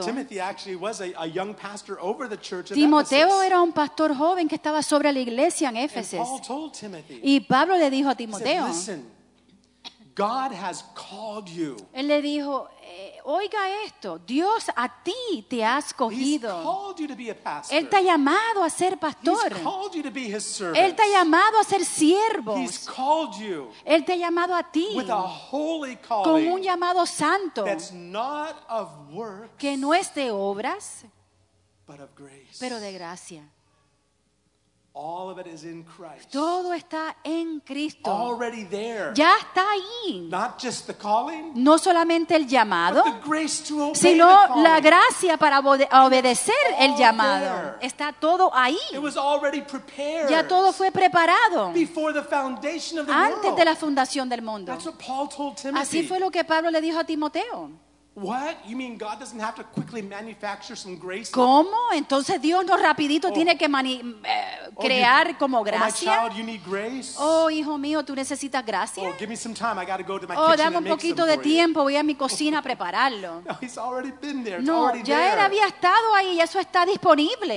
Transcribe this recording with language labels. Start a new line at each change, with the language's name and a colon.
English: Timothy actually was a young pastor over the church of
Spanish: Timoteo
English: Ephesus.
Spanish: Era un pastor joven que estaba sobre la iglesia en Éfeso.
English: And Paul told Timothy,
Spanish: y Pablo le dijo a Timoteo,
English: he said, listen, God has called you.
Spanish: Él le dijo, oiga esto, Dios a ti te ha escogido.
English: He's called you to be a pastor.
Spanish: Él te ha llamado a ser pastor.
English: He's called you to be his servant.
Spanish: Él te ha llamado a ser siervo.
English: He's called you.
Spanish: Él te ha llamado a ti.
English: With a holy calling.
Spanish: Con un llamado santo.
English: That's not of works.
Spanish: Que no es de obras.
English: But of grace.
Spanish: Pero de gracia.
English: All of it is in Christ.
Spanish: Todo está en Cristo.
English: Already there.
Spanish: Ya está ahí.
English: Not just the calling.
Spanish: No solamente el llamado,
English: but the grace to obey,
Spanish: sino
English: the calling.
Spanish: La gracia para obedecer el llamado.
English: There.
Spanish: Está todo ahí.
English: It was already prepared.
Spanish: Ya todo fue preparado.
English: Before the foundation of the
Spanish: antes
English: world.
Spanish: De la fundación del mundo.
English: That's what Paul told Timothy.
Spanish: Así fue lo que Pablo le dijo a Timoteo.
English: What? You mean God doesn't have to quickly manufacture some grace?
Spanish: ¿Cómo? Entonces Dios no rapidito tiene que crear como gracia.
English: Oh, my child, you need grace?
Spanish: Oh, hijo mío, tú necesitas gracia.
English: Oh, give me some time. I got to go to my kitchen and make some.
Spanish: Oh, dame un poquito de tiempo, voy a mi cocina a prepararlo.
English: No, he's already been there.
Spanish: No, ya él había estado ahí, ya eso está disponible.